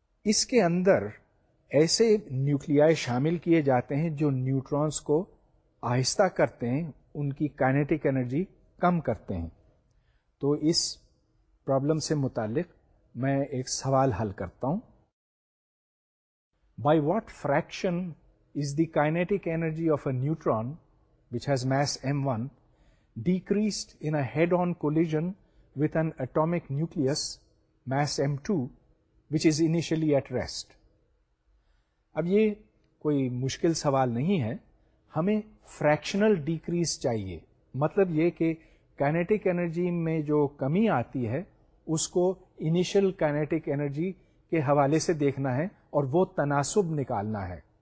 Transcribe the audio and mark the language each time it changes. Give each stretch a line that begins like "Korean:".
Urdu: اس کے اندر ایسے نیوکلیائی شامل کیے جاتے ہیں جو نیوٹرانز کو آہستہ کرتے ہیں، ان کی کائنیٹک انرجی کم کرتے ہیں. تو اس پرابلم سے متعلق میں ایک سوال حل کرتا ہوں.
English: By what fraction is the kinetic energy of a neutron which has mass m1 decreased in a head-on collision with an atomic nucleus mass m2 which is initially at rest?
Urdu: اب یہ کوئی مشکل سوال نہیں ہے. ہمیں fractional decrease چاہیے، مطلب یہ کہ kinetic energy میں جو کمی آتی ہے اس کو initial kinetic energy کے حوالے سے دیکھنا ہے، اور وہ تناسب نکالنا ہے.